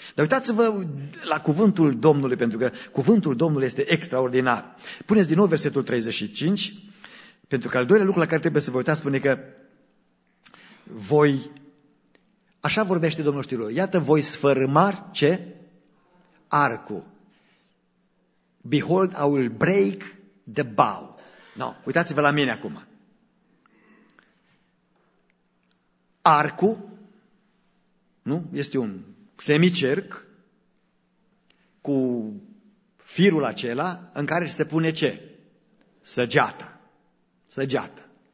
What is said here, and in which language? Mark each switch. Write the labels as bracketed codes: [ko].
[ro] Dar uitați-vă la cuvântul Domnului, pentru că cuvântul Domnului este extraordinar. Puneți din nou versetul 35, pentru că al doilea lucru la care trebuie să vă uitați spune că voi, așa vorbește Domnul știrilor, iată voi sfărâma ce? Arcul. [en] Behold, I will break the bow. [ro] No, uitați-vă la mine acum. Arcul, nu? Este un semicerc cu firul acela în care se pune ce? Săgeata. Săgeata.